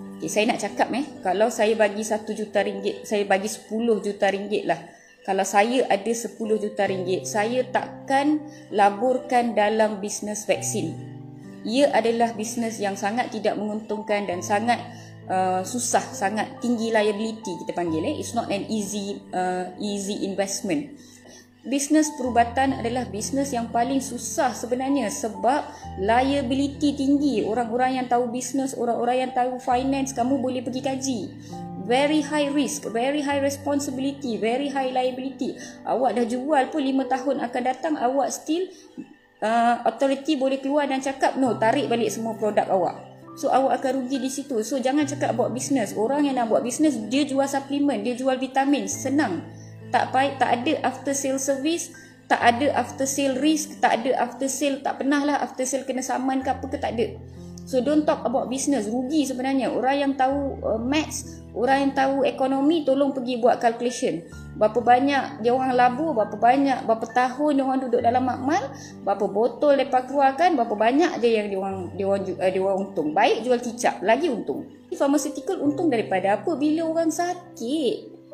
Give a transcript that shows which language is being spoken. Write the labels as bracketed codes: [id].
[ms] Okay, saya nak cakap kalau saya bagi RM1 juta, saya bagi RM10 juta lah. Kalau saya ada RM10 juta, saya takkan laburkan dalam bisnes vaksin. Ia adalah bisnes yang sangat tidak menguntungkan dan sangat susah, sangat tinggi liability kita panggil. [en] It's not an easy investment. [ms] Bisnes perubatan adalah bisnes yang paling susah sebenarnya sebab liability tinggi. Orang-orang yang tahu bisnes, orang-orang yang tahu finance, kamu boleh pergi kaji. [en] Very high risk, very high responsibility, very high liability. [ms] Awak dah jual pun 5 tahun akan datang, awak still authority boleh keluar dan cakap no, tarik balik semua produk awak. So awak akan rugi di situ. So jangan cakap buat bisnes. Orang yang nak buat bisnes, dia jual suplemen, dia jual vitamin, senang. Tak payah, tak ada after sales service, tak ada after sale risk, tak ada after sale, tak pernah lah after sale kena saman ke apa ke, tak ada. [en] So don't talk about business, [ms] rugi sebenarnya. Orang yang tahu maths, orang yang tahu ekonomi, tolong pergi buat calculation. Berapa banyak dia orang labur, berapa banyak, berapa tahun dia orang duduk dalam makmal, berapa botol mereka keluarkan, berapa banyak je yang dia orang untung. Baik jual kicap, lagi untung. Pharmaceutical untung daripada apa? Bila orang sakit.